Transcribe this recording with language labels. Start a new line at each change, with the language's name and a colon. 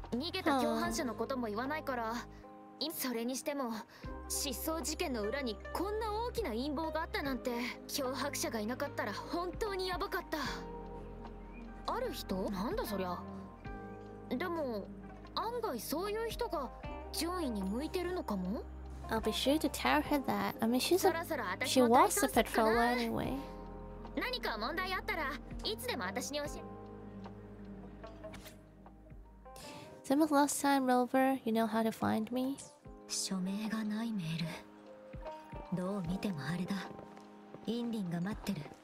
Japanese: 逃げた共犯者のことも言わないから。それにしても失踪事件の裏にこんな大きな陰謀があったなんて。脅迫者がいなかったら本当にヤバかった。ある人なんだそりゃ。でも案外そういう人が順位に向いてるのかも。
English: I'll be sure to tell her that. I mean, she's a she walks the patrol anyway.
Japanese: 何か問題あったらいつでも私に教え。
English: Same as last time, Rover. You know how to find me.
Japanese: 署名がないメール。どう見てもあれだ。インリンが待ってる。